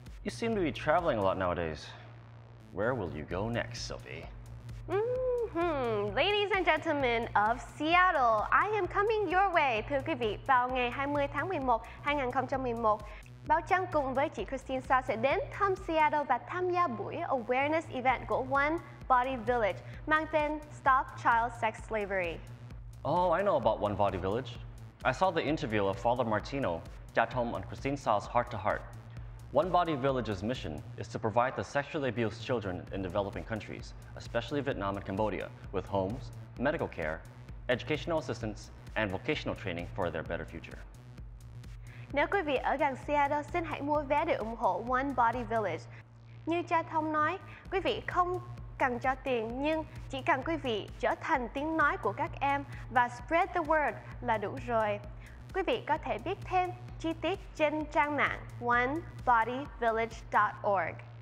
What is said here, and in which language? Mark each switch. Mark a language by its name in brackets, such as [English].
[English] You seem to be traveling a lot nowadays. Where will you go next, Sophie? Ladies and gentlemen of Seattle, I am coming your way. [Vietnamese] Thưa quý vị, vào ngày 20 tháng 11, 2011, Bao Trang cùng với chị Christine Sa sẽ đến thăm Seattle và tham gia buổi [English] awareness event [Vietnamese] của One Body Village mang tên Stop Child Sex Slavery. [English] Oh, I know about One Body Village. I saw the interview of Father Martino, Jatom and Christine Sa's Heart to Heart. One Body Village's mission is to provide the sexually abused children in developing countries, especially Vietnam and Cambodia, with homes, medical care, educational assistance, and vocational training for their better future. [Vietnamese] Nếu quý vị ở gần Seattle, xin hãy mua vé để ủng hộ One Body Village. Như cha Thông nói, quý vị không cần cho tiền, nhưng chỉ cần quý vị trở thành tiếng nói của các em và [English] spread the word [Vietnamese] là đủ rồi. Quý vị có thể biết thêm chi tiết trên trang mạng onebodyvillage.org.